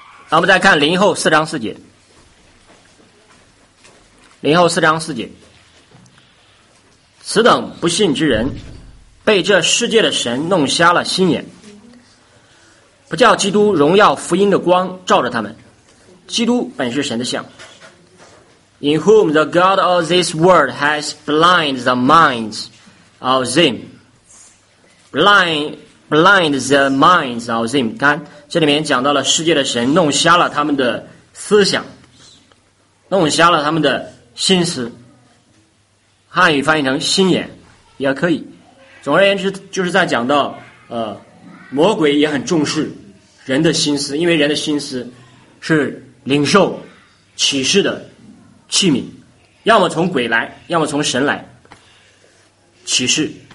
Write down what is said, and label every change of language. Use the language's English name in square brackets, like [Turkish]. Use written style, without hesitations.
[Chinese] 那我们再看灵后四章四节，灵后四章四节，此等不信之人被这世界的神弄瞎了心眼，不叫基督荣耀福音的光照着他们。基督本是神的像。 [English] In whom the God of this world has blinded the minds of them, blind the minds of them。 [Chinese] 看这里面讲到了世界的神弄瞎了他们的思想，弄瞎了他们的心思，汉语翻译成心眼也可以。总而言之，就是在讲到魔鬼也很重视人的心思，因为人的心思是领受启示的器皿，要么从鬼来，要么从神来启示。